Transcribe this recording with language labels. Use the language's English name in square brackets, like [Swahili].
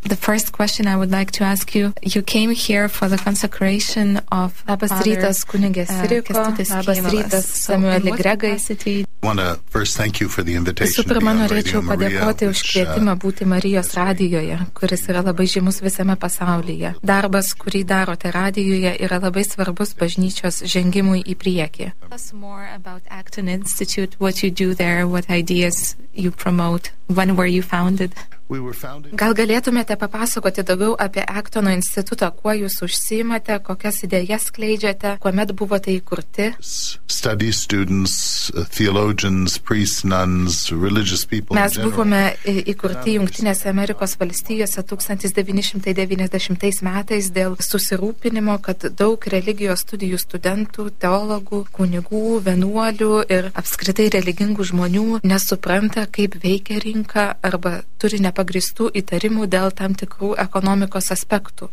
[English] The first question I would like to ask you, you came here for the consecration of [Lithuanian] Labas [English] Father [Lithuanian] rytas, kunigė Siriko. Labas rytas, [English] Samuel Gregg. I want to first thank you for the invitation. [Lithuanian] Visų pirma, norėčiau padėkoti už kvietimą būti Marijos radijoje, kuris yra labai žymus visame pasaulyje. Darbas, kurį darote radijoje, yra labai svarbus bažnyčios žengimui į priekį. [English] Tell us more about Acton Institute, what you do there, what ideas you promote, when were you founded? [Lithuanian] Gal galėtumėte papasakoti daugiau apie Actono instituto, kuo jūs užsiimate, kokias idėjas skleidžiate, kuomet buvote įkurti? [English] Study students, theologians, priests, nuns, religious people. [Lithuanian] Mes buvome įkurti Jungtinėse Amerikos valstijose 1990 metais dėl susirūpinimo, kad daug religijos studijų studentų, teologų, kunigų, vienuolių ir apskritai religingų žmonių nesupranta, kaip veikia rinka arba turi nepagristų įtarimų dėl tam tikrų ekonomikos aspektų.